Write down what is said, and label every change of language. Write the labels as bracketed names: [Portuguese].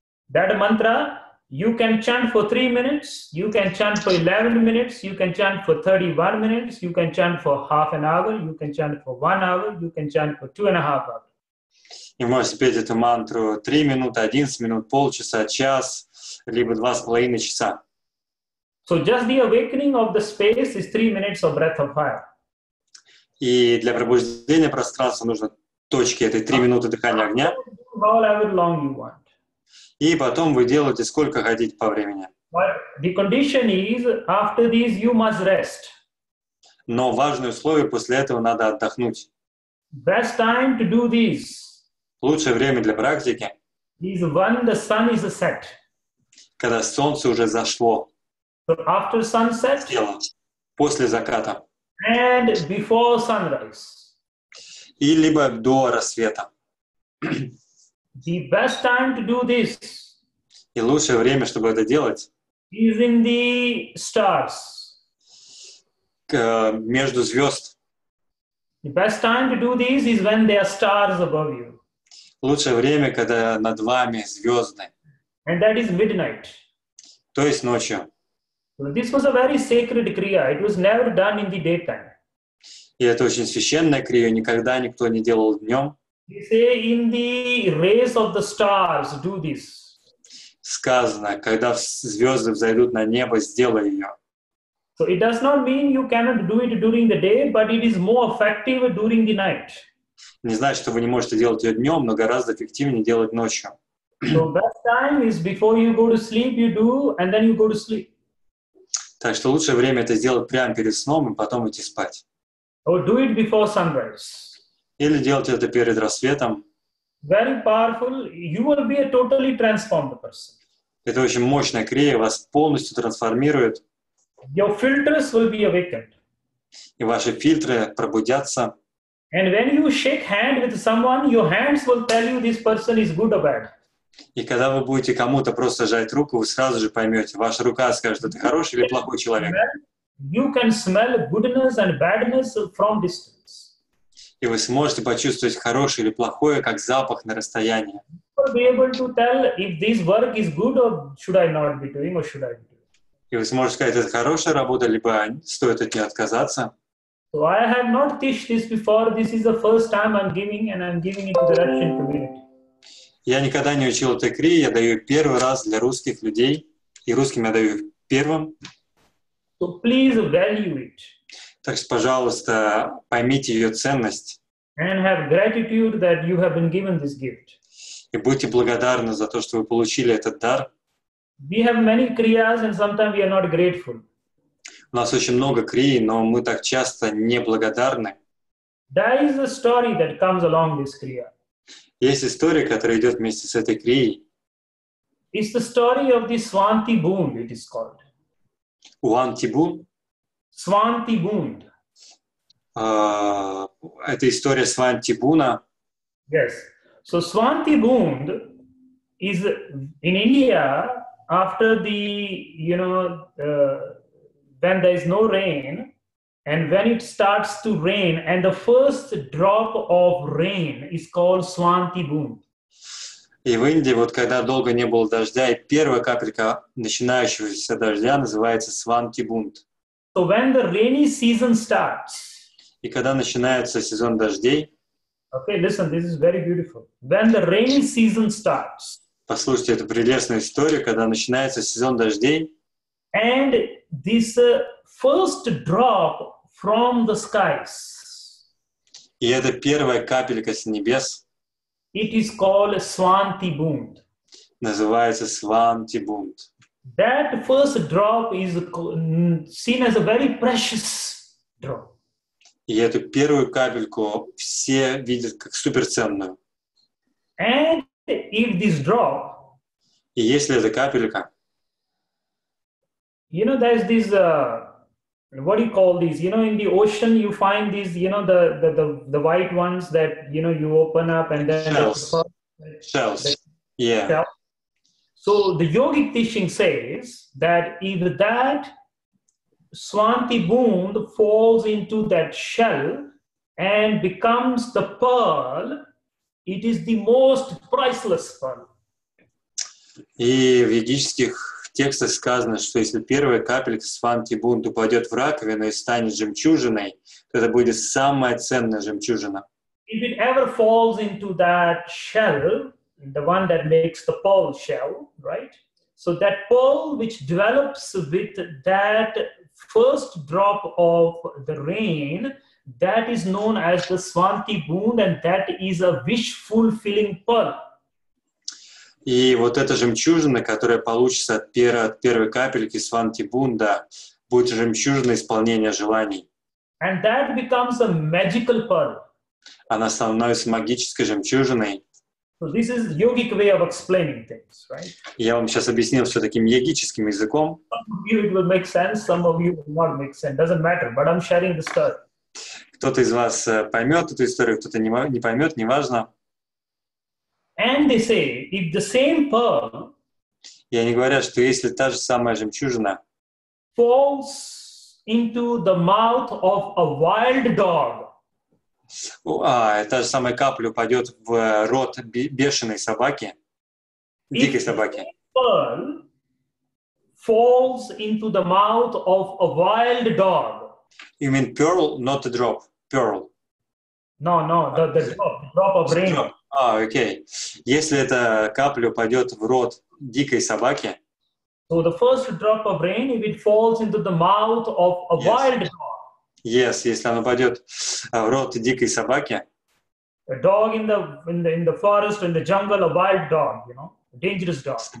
[English] That mantra. You can chant for 3 minutes, you can chant for 11 minutes, you can chant for 31 minutes, you can chant for half an hour, you can chant for 1 hour, you can chant for 2.5 hours. [Russian] И можете петь эту мантру 3 минуты, 11 минут, полчаса, час, либо 2.5 часа. [English] So just the awakening of the space is 3 minutes of breath of fire. [Russian] И для пробуждения пространства нужно точки этой 3 минуты дыхания огня. [English] However long you want. [Russian] И потом вы делаете сколько ходить по времени. [English] The condition is, after this you must rest. [Russian] Но важное условие, после этого надо отдохнуть. [English] Best time to do this. [Russian] Лучшее время для практики. [English] Is when the sun is set. [Russian] Когда солнце уже зашло. [English] So after sunset. [Russian] Сделать. После заката. [English] And before sunrise. [Russian] И либо до рассвета. [English] The best time to do this. [Russian] И лучшее время, чтобы это делать. [English] Is in the stars. [Russian] Между звезд. [English] The best time to do this is when there are stars above you. [Russian] Лучшее время, когда над вами звезды. [English] And that is midnight. [Russian] То есть ночью. [English] So this was a very sacred kriya. It was never done in the daytime. [Russian] И это очень священная крия, никогда никто не делал днем. [English] They say in the rays of the stars, do this. [Russian] Сказано, когда звезды взойдут на небо, сделай ее. [English] So it does not mean you cannot do it during the day, but it is more effective during the night. [Russian] Не значит, что вы не можете делать ее днем, но гораздо эффективнее делать ночью. [English] So best time is before you go to sleep, you do, and then you go to sleep. [Russian] Так что лучшее время это сделать прямо перед сном и потом идти спать. [English] Or do it before sunrise. [Russian] Или делать это перед рассветом. [English] Very powerful. You will be a totally transformed person. [Russian] Это очень мощная крия, вас полностью трансформирует. [English] Your filters will be awakened. [Russian] И ваши фильтры пробудятся. [English] And when you shake hand with someone, your hands will tell you this person is good or bad. [Russian] И когда вы будете кому-то просто жать руку, вы сразу же поймете, ваша рука скажет, это хороший или плохой человек. [English] You can smell goodness and badness from distance. [Russian] И вы сможете почувствовать хорошее или плохое, как запах на расстоянии. [English] You will be able to tell if this work is good or should I not be doing or should I be doing. [Russian] И вы сможете сказать, это хорошая работа, либо стоит от нее отказаться. [English] So I have not teached this before. This is the first time I'm giving and I'm giving it to the Russian community. [Russian] Я никогда не учил этой крии, я даю первый раз для русских людей, и русским я даю первым. [English] So please value it. [Russian] Так что, пожалуйста, поймите ее ценность. [English] And have gratitude that you have been given this gift. [Russian] И будьте благодарны за то, что вы получили этот дар. [English] We have many kriyas and sometimes we are not grateful. [Russian] У нас очень много крии, но мы так часто неблагодарны. [English] There is a story that comes along this kriya. [Russian] Есть история, которая идет вместе с этой крией. [English] It's the story of the Swanti Bund, it is called. Swanti Bund? Swanti Bund. [Russian] Это история Swanti Bund'a? [English] Yes. So Swanti Bund is in India after the, you know, when there is no rain and when it starts to rain and the first drop of rain is called Swanti Bund. [Russian] И в Индии, вот когда долго не было дождя, и первая капелька начинающегося дождя называется Swanti Bund. [English] So when the rainy season starts. [Russian] И когда начинается сезон дождей. [English] Okay, listen, this is very beautiful. When the rainy season starts. [Russian] Послушайте, это прелестная история, когда начинается сезон дождей. [English] And this first drop from the skies. [Russian] И это первая капелька с небес. [English] It is called Swanti Bund. [Russian] Называется Swanti Bund. [English] That first drop is seen as a very precious drop. [Russian] И эту первую капельку все видят как суперценную. [English] And if this drop. [Russian] И если эта капелька. [English] You know, there's this, what do you call these? You know, in the ocean, you find these, you know, the white ones that, you know, you open up and then... Shells. Yeah. Shell. So the yogic teaching says that if that Swanti Bund falls into that shell and becomes the pearl, it is the most priceless pearl. [Russian] И в ведических текстах сказано, что если первая капелька Swanti Bund упадет в раковину и станет жемчужиной, то это будет самая ценная жемчужина. [English] If it ever falls into that shell, the one that makes the pearl shell, right? So that pearl which develops with that first drop of the rain, that is known as the Swanti Bund, and that is a wish-fulfilling pearl. [Russian] И вот эта жемчужина, которая получится от первой капельки Swanti Bund'a, будет жемчужиной исполнения желаний. [English] And that becomes a magical pearl. [Russian] Она становится магической жемчужиной. [English] So this is yogic way of explaining things, right? [Russian] Я вам сейчас объяснил все таким йогическим языком. [English] Some of you it will make sense, some of you it will not make sense. Doesn't matter, but I'm sharing the story. [Russian] Кто-то из вас поймет эту историю, кто-то не поймет, неважно. [English] And they say, if the same pearl, [Russian] и они говорят, что если та же самая жемчужина [English] falls into the mouth of a wild dog, [Russian] та же самая капля упадет в рот бешеной собаки, дикой собаки, [English] if the same pearl falls into the mouth of a wild dog, you mean pearl, not the drop, pearl. No, the drop of rain. [Russian] Окей. Okay. Если эта капля упадет в рот дикой собаки, [English] so the first drop of rain, if it falls into the mouth of a wild dog, [Russian] yes, если она упадет в рот дикой собаки, [English] a dog in the forest, in the jungle, a wild dog, you know, a dangerous dog.